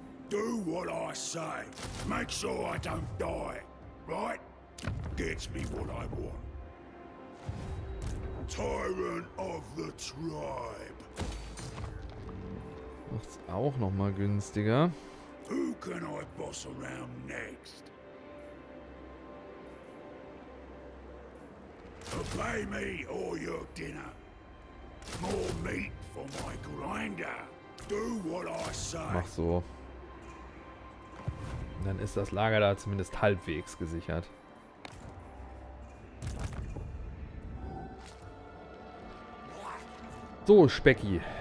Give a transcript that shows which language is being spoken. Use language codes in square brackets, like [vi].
[en] Do what I say. Make sure I don't die. Right? Gets me what I want. Tyrant of the tribe. [de] Macht's auch noch mal günstiger. [en] Who can I boss around next? Obey me or your dinner. More meat for my grinder. Do what I say. [de] Mach so. Dann ist das Lager da zumindest halbwegs gesichert. So, Specki.